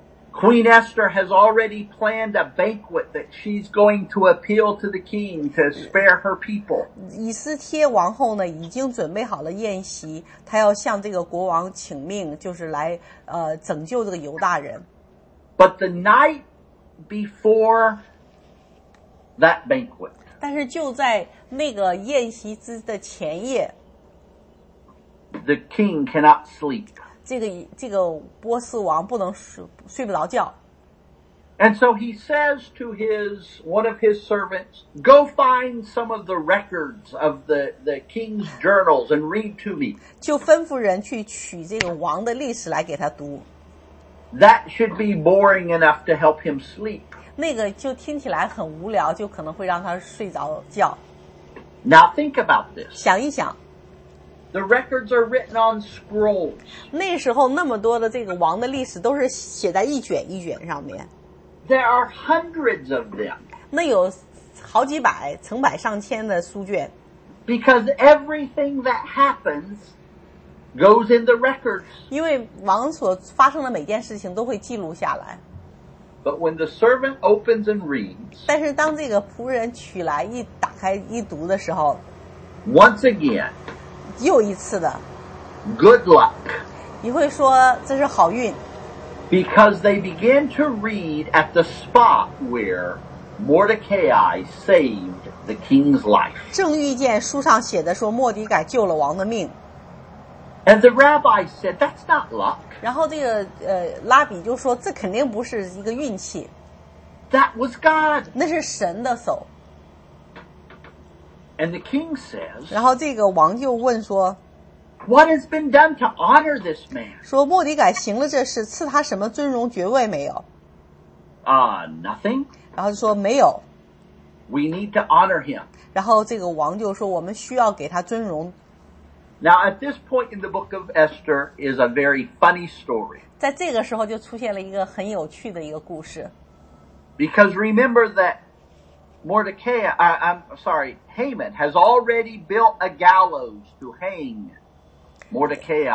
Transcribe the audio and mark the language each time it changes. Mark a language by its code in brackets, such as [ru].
[en] Queen Esther has already planned a banquet that she's going to appeal to the king to spare her people. [zh] 以斯帖王后呢，已经准备好了宴席，她要向这个国王请命，就是来拯救这个犹大人。 [en] But the night before that banquet. [zh] 但是就在那个宴席之的前夜， [en] the king cannot sleep. [zh] 这个波斯王不能睡不着觉。 [en] And so he says to one of his servants, go find some of the records of the king's journals and read to me. [zh] 就吩咐人去取这个王的历史来给他读。 [en] That should be boring enough to help him sleep. [zh] 那个就听起来很无聊，就可能会让他睡着觉。 [en] Now think about this. [zh] 想一想。 [en] The records are written on scrolls. [zh] 那时候那么多的这个王的历史都是写在一卷一卷上面。 [en] There are hundreds of them. [zh] 那有好几百、成百上千的书卷。 [en] Because everything that happens goes in the records. [zh] 因为王所发生的每件事情都会记录下来。 [en] But when the servant opens and reads. [zh] 但是当这个仆人取来一打开一读的时候。 [en] Once again. [zh] 又一次的 [en] ，Good luck， [zh] 你会说这是好运 [en] ，Because they began to read at the spot where Mordecai saved the king's life。 [zh] 正遇见书上写的说莫迪改救了王的命 [en] ，And the rabbi said that's not luck。 [zh] 然后这个拉比就说这肯定不是一个运气 [en] ，That was God， [zh] 那是神的手。 [en] And the king says, [zh] 然后这个王就问说 [en] What has been done to honor this man? [zh] 说莫迪改行了这事，赐他什么尊荣爵位没有？ [en] Nothing. [zh] 然后就说没有。 [en] We need to honor him. [zh] 然后这个王就说我们需要给他尊荣。 [en] Now at this point in the book of Esther is a very funny story. [zh] 在这个时候就出现了一个很有趣的一个故事。 [en] Because remember that Mordecai, I'm sorry, Haman has already built a gallows to hang Mordecai.